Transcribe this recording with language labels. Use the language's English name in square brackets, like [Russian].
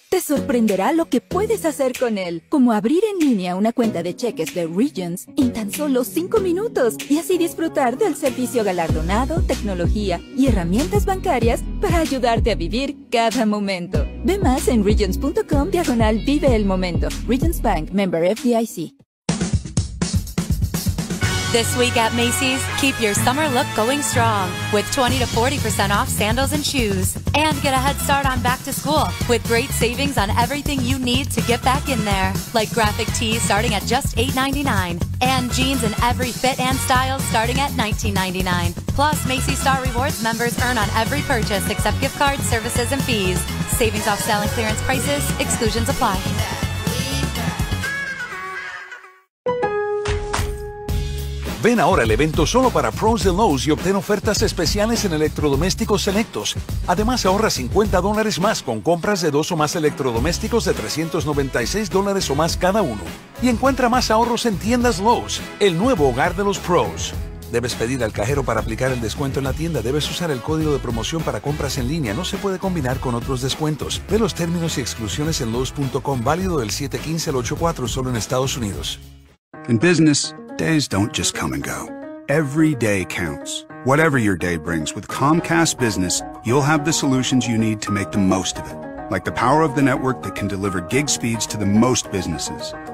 [Spanish] Te sorprenderá lo que puedes hacer con él. Como abrir en línea una cuenta de cheques de Regions en tan solo 5 minutos. Y así disfrutar del servicio galardonado, tecnología y herramientas bancarias para ayudarte a vivir cada momento. Ve más en Regions.com/vive el momento. [English] Regions Bank, member FDIC. This week at Macy's, keep your summer look going strong with 20 to 40% off sandals and shoes. And get a head start on back to school with great savings on everything you need to get back in there, like graphic tees starting at just $8.99 and jeans in every fit and style starting at $19.99. Plus, Macy's Star Rewards members earn on every purchase except gift cards, services, and fees. Savings off sale and clearance prices. Exclusions apply. [Spanish] Ven ahora al evento solo para pros de Lowe's y obtén ofertas especiales en electrodomésticos selectos. Además, ahorra $50 más con compras de dos o más electrodomésticos de $396 o más cada uno. Y encuentra más ahorros en tiendas Lowe's, el nuevo hogar de los pros. Debes pedir al cajero para aplicar el descuento en la tienda. Debes usar el código de promoción para compras en línea. No se puede combinar con otros descuentos. Ve los términos y exclusiones en Lowe's.com. Válido del 715 al 84 solo en Estados Unidos. [English] In business, days don't just come and go. Every day counts. Whatever your day brings, with Comcast Business, you'll have the solutions you need to make the most of it. Like the power of the network that can deliver gig speeds to the most businesses.